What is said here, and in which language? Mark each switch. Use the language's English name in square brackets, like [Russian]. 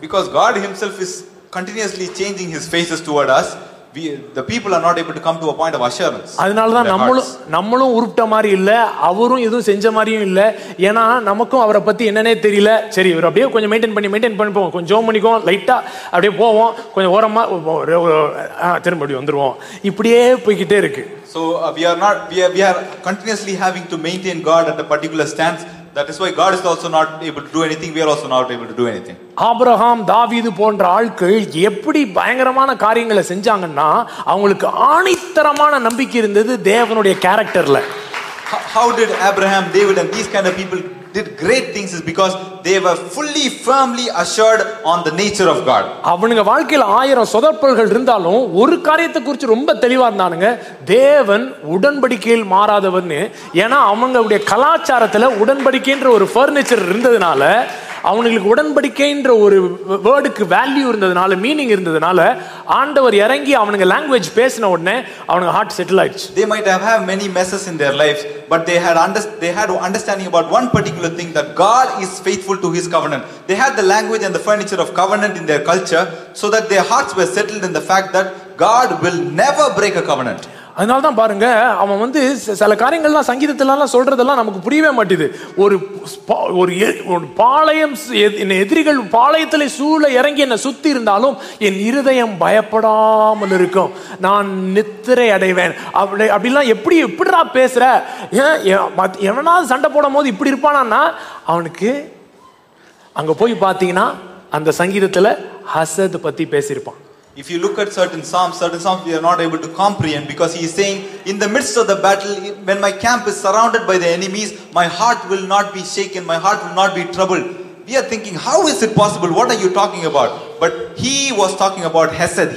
[English] Because God himself is continuously changing his faces toward us, the people are not able to come to a point of assurance. [Tamil] அதனால தான் நம்மளும் உருட்ட மாதிரி இல்ல, அவரும் எதுவும் செஞ்ச மாதிரியும் இல்ல. ஏனா நமக்கும் அவரை பத்தி என்னனே தெரியல. சரி, இவர் அப்படியே கொஞ்சம் மெயின்டெய்ன் பண்ணி போவோம், கொஞ்சம் ஜோம் பண்ணிக்கோ, லைட்டா அப்படியே போவோம், கொஞ்சம் ஓரமா திரும்பி வந்துருவோம், இப்படியே போய்கிட்டே இருக்கு. [English] So we are continuously having to maintain God at a particular stance. That is why God is also not able to do anything, we are also not able to do anything. [Tamil] Abraham, David போன்ற ஆட்கள் எப்படி பயங்கரமான காரியங்களை செஞ்சாங்கன்னா அவங்களுக்கு ஆணித்தரமான நம்பிக்கை இருந்தது தேவனுடைய கரெக்டர்ல. [English] How did Abraham, David and these kind of people did great things is because they were fully firmly assured on the nature of God. [Tamil] அவங்க வாழ்க்கையில 1000 சொதப்பல்கள் இருந்தாலும் ஒரு காரியத்தை குறித்து ரொம்ப தெளிவா இருந்தாங்க, தேவன் உடன்படிக்கையில் மாறாதவர்னு. ஏனா அவங்களுடைய கலாச்சாரத்துல உடன்படிக்கைன்ற ஒரு ஃபர்னிச்சர் இருந்ததனால, அவங்களுக்கு உடன்படிக்கைன்ற ஒரு வேர்டுக்கு வேல்யூ இருந்ததுனால, மீனிங் இருந்ததுனால, ஆண்டவர் இறங்கி அவங்க லாங்குவேஜ் பேசின உடனே அவங்க ஹார்ட் செட்டில் ஆயிடுச்சு. [English] They might have had many messes in their lives, but they had understanding about one particular thing, that God is faithful to his covenant. They had the language and the furniture of covenant in their culture, so that their hearts were settled in the fact that God will never break a covenant. [Tamil] அதனால தான் பாருங்க, அவன் வந்து சில காரியங்கள்லாம் சங்கீதத்திலலாம் சொல்றதெல்லாம் நமக்கு புரியவே மாட்டேது. ஒரு ஒரு பாளையம், என்ன எதிரிகள் பாளையத்தில் சூழ இறங்கி என்ன சுத்தி இருந்தாலும் என் இருதயம் பயப்படாமல் இருக்கும், நான் நித்திரை அடைவேன். அப்படி அப்படிலாம் எப்படி எப்படிடா பேசுற, எவனாவது சண்டை போடும் போது இப்படி இருப்பானா? அவனுக்கு அங்க போய் பாத்தீங்கன்னா அந்த சங்கீதத்துல ஹசத் பத்தி பேசியிருப்பான். [English] If you look at certain psalms we are not able to comprehend, because he is saying, in the midst of the battle, when my camp is surrounded by the enemies, my heart will not be shaken, my heart will not be troubled. We are thinking, how is it possible? What are you talking about? But he was talking about Hesed.